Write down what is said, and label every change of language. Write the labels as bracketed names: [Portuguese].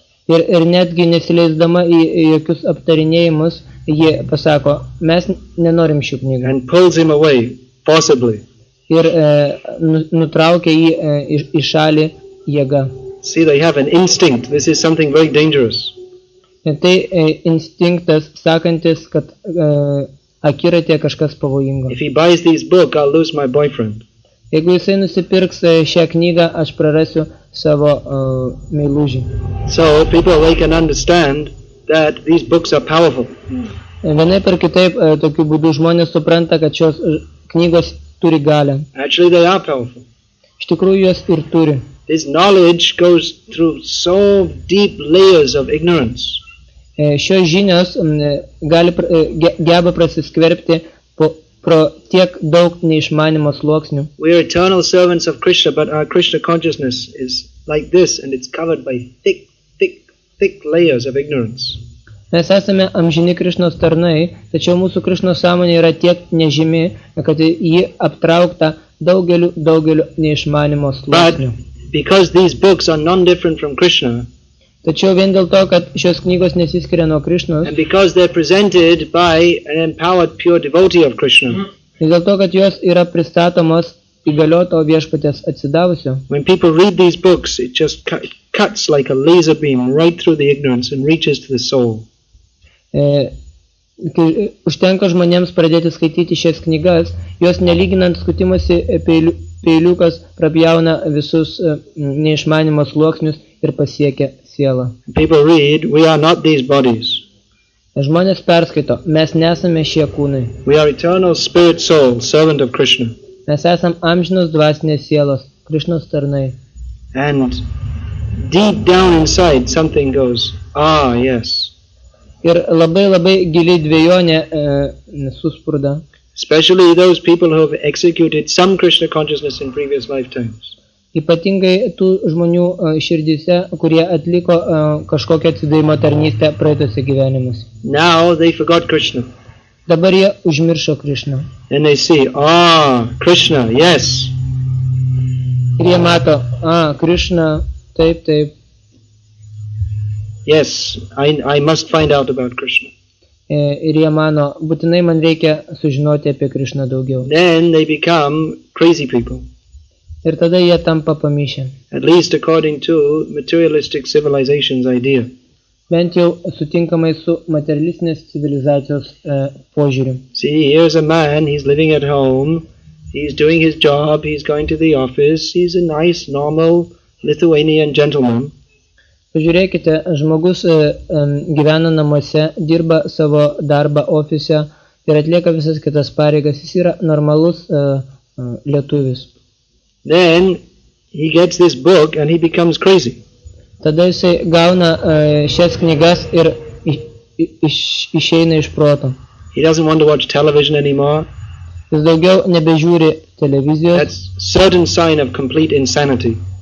[Lithuanian] Ir netgi nesileisdama į jokius aptarinėjimus, ji pasako, mes nenorim šių knygų. [English] And pulls him away, forcibly. [Lithuanian] Ir nutraukė jį į šalį jėga. [English] See, they have an instinct. This is something very dangerous. [Lithuanian] Tai instinktas sakantis, kad akiratė kažkas pavojingo. [English] If he buys this book, I'll lose my boyfriend. [Lithuanian] Jeigu jisai nusipirks šią knygą, aš prarasiu savo meilužį. [English] So people, they can understand that these books are powerful. [Lithuanian] Vienaip ar kitaip, tokiu būdu žmonės supranta, kad šios knygos turi galę. [English] Actually, they are powerful. [Lithuanian] Iš tikrųjų, jos ir turi. [English] This knowledge goes through so deep layers of ignorance. [Lithuanian] Šios žinios gali geba prasiskverbti pro tiek daug neišmanimo sluoksnių. [English] We are eternal servants of Krishna, but our Krishna consciousness is like this and it's covered by thick layers of ignorance. [Lithuanian] Mes esame amžini Krishnos tarnai, tačiau mūsų Krishnos sąmonė yra tiek nežymi, kad ji aptraukta daugeliu neišmanimo sluoksnių. [English] Because these books are non-different from Krishna. [Lithuanian] Tačiau vien dėl to, kad šios knygos nesiskiria nuo Krishnos. [English] And because they're presented by an empowered pure devotee of Krishna. [Lithuanian] Ir dėl to, kad jos yra pristatomos įgalioto viešpatės atsidavusio. [English] When people read these books, it just cuts like a laser beam right through the ignorance and reaches to the soul. [Lithuanian] Kai užtenka žmonėms pradėti skaityti šias knygas, jos nelyginant skutimosi peiliukas prapjauna visus neišmanimo sluoksnius ir pasiekia sielą. [English] People read, we are not these bodies. [Lithuanian] Žmonės perskaito, mes nesame šie kūnai. [English] We are eternal spirit soul, servant of Krishna. [Lithuanian] Mes esam amžinos dvasinės sielos, Krishnos tarnai. [English] And deep down inside something goes, ah, yes. [Lithuanian] Ir labai giliai dvejonė susprūda. [English] Especially those people who have executed some Krishna consciousness in previous lifetimes. [Lithuanian] Ypatingai tų žmonių širdyse, kurie atliko kažkokią atsidavimo tarnystę praeituose gyvenimuose. [English] Now they forgot Krishna. [Lithuanian] Dabar jie užmiršo Krishna. [English] And they see, ah, Krishna, yes. [Lithuanian] Ir jie mato, ah, Krishna, taip. [English] Yes, I must find out about Krishna. [Lithuanian] Ir jie mano, būtinai man reikia sužinoti apie Krishna daugiau. [English] Then they become crazy people. [Lithuanian] Ir tada jie tampa pamišę. [English] At least according to materialistic civilization's idea. [Lithuanian] Bent jau sutinkamai su materialistinės civilizacijos požiūriu. [English] See, here's a man, he's living at home, He's doing his job, he's going to the office, he's a nice, normal Lithuanian gentleman. [Lithuanian] Pažiūrėkite, žmogus gyvena namuose, dirba savo darbą ofise ir atlieka visas kitas pareigas. Jis yra normalus lietuvis. [English] Then he gets this book and he becomes crazy. [Lithuanian] Tada jis gauna šias knygas ir išeina iš proto. [English] He doesn't want to watch television anymore. [Lithuanian] Jis daugiau nebežiūri televizijos. [English] That's certain sign of complete insanity.